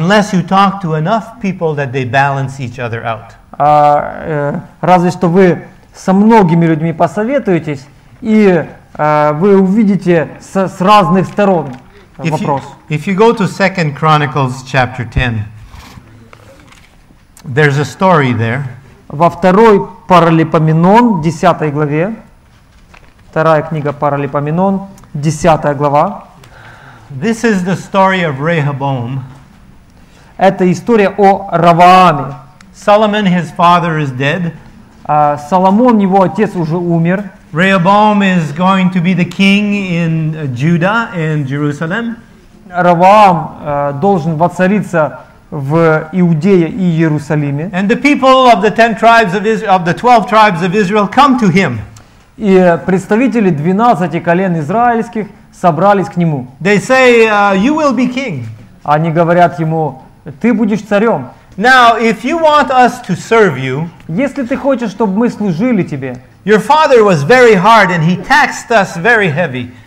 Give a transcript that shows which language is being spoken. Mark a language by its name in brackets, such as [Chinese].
[English] Unless you talk to enough people that they balance each other out. [Russian] Разве что вы со многими людьми посоветуетесь и вы увидите с разных сторон вопрос. [English] If you go to 2 Chronicles chapter 10, there's a story there. [Russian] Во второй Паралипоменон, 10 главе, вторая книга Паралипоменон, 10 глава. [English] This is the story of Rehoboam. [Russian] Это история о Раваме. [English] Solomon, his father, is dead. [Russian] Соломон, его отец, уже умер. [English] Rehoboam is going to be the king in Judah, in Jerusalem. [Russian] Раваам должен воцариться в Иудее и Иерусалиме. [English] And the people of the 10 tribes of Israel, of the 12 tribes of Israel, come to him. [Russian] И представители 12 колен израильских собрались к нему. [English] They say, "You will be king." [Russian] Они говорят ему: "Ты будешь царем." [English] Now, if you want us to serve you, [Russian] если ты хочешь, чтобы мы служили тебе. [English] Your father was very hard and he taxed us very heavy.